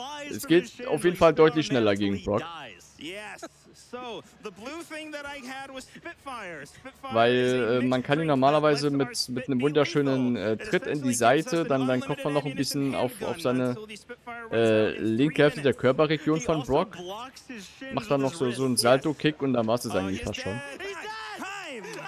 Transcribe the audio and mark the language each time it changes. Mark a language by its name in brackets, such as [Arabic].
[German] Es geht auf jeden Fall deutlich schneller gegen Brock. [English] Yes. So, the blue thing that I had was Spitfire. [German] Weil man kann ihn normalerweise mit einem wunderschönen Tritt in die Seite, dann den Kopf noch ein bisschen auf seine linke Hälfte der Körperregion von Brock, macht dann noch so einen Salto-Kick und dann war es eigentlich fast schon. [English] Time.